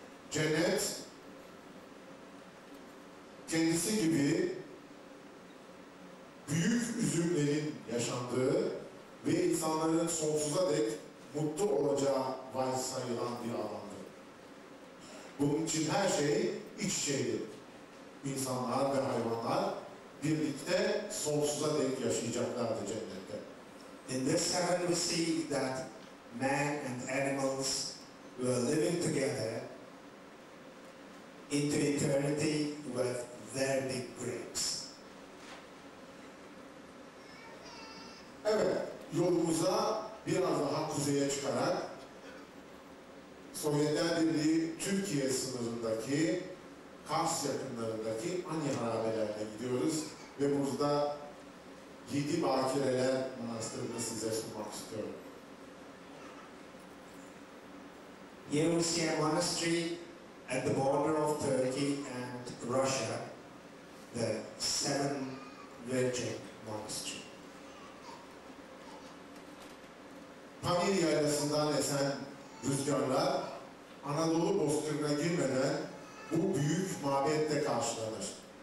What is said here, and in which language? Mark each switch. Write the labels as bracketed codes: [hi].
[tr] Cennet kendisi gibi büyük üzümlerin yaşandığı ve insanların sonsuza dek mutlu olacağı varsayılan bir alandı. Bunun için her şey iç içeydi. İnsanlar ve hayvanlar birlikte sonsuza dek yaşayacaklardı cennette. [en] In this heaven we see that man and animals were living together into eternity with their big grapes. [tr] Evet, yolumuza biraz daha kuzeye çıkarak Sovyetler Birliği Türkiye sınırındaki Kars yakınlarındaki Anyarabelerle gidiyoruz ve burada Yedi Bakireler Manastırı'nı size sunmak istiyorum. [en] Yevuskaya Monastery at the border of Turkey and Russia, the Seven Virgin Monastery. [tr] Pamir Yaylası'ndan esen rüzgarlar Anadolu Bozkırı'na girmeden bu büyük mabette karşılanır.